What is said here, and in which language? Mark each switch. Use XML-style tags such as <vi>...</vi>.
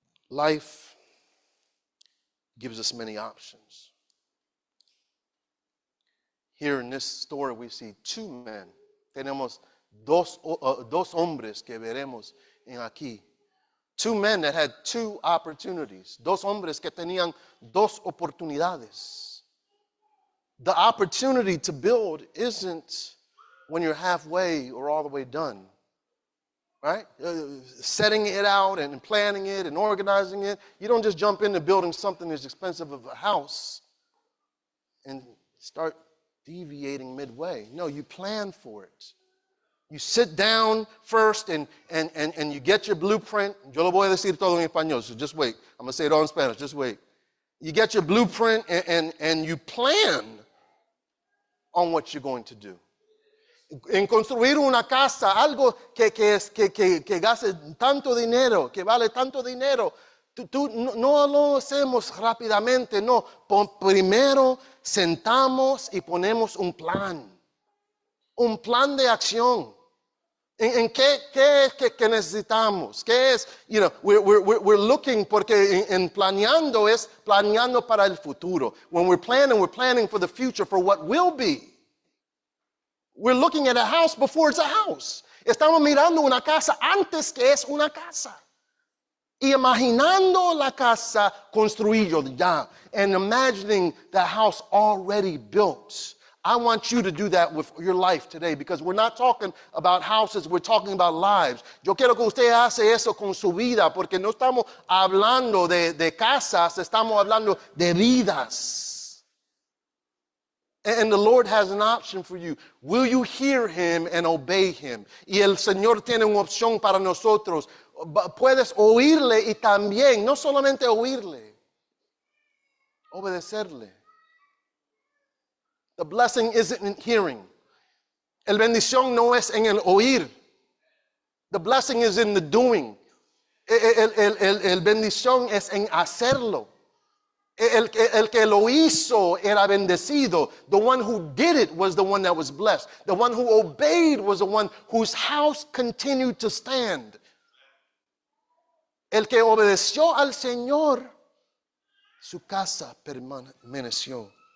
<en>Life gives us many options. Here in this story, we see two men.</en> <es>Tenemos dos hombres que veremos en aquí.</es> <en>Two men that had two opportunities.</en> <es>Dos hombres que tenían dos oportunidades.</es> <en>The opportunity to build isn't when you're halfway or all the way done, right? Setting it out and planning it and organizing it. You don't just jump into building something as expensive as a house and start deviating midway. No, you plan for it. You sit down first and you get your blueprint.</en> <es>Yo lo voy a decir todo en español,</es> <en>so just wait. I'm going to say it all in Spanish, just wait. You get your blueprint and you plan on what you're going to do.</en> <es>En construir una casa, algo que gaste tanto dinero, que vale tanto dinero, no lo hacemos rápidamente, no. Primero sentamos y ponemos un plan de acción. ¿En qué es que necesitamos? ¿Qué es?</es> <en>You know, we're looking,</en> <es>porque en planeando es planeando para el futuro.</es> <en>When we're planning for the future, for what will be. We're looking at a house before it's a house.</en> <es>Estamos mirando una casa antes que es una casa. Y imaginando la casa construido ya.</es> <en>And imagining the house already built. I want you to do that with your life today, because we're not talking about houses, we're talking about lives.</en> <es>Yo quiero que usted hace eso con su vida, porque no estamos hablando de casas, estamos hablando de vidas.</es> <en>And the Lord has an option for you. Will you hear him and obey him?</en> <es>Y el Señor tiene una opción para nosotros. Puedes oírle y también, no solamente oírle, obedecerle.</es> <en>The blessing isn't in hearing.</en> <es>El bendición no es en el oír.</es> <en>The blessing is in the doing.</en> <es>El bendición es en hacerlo. El que lo hizo era bendecido.</es> <en>The one who did it was the one that was blessed. The one who obeyed was the one whose house continued to stand.</en> <es>El que obedeció al Señor, su casa permaneció.</es>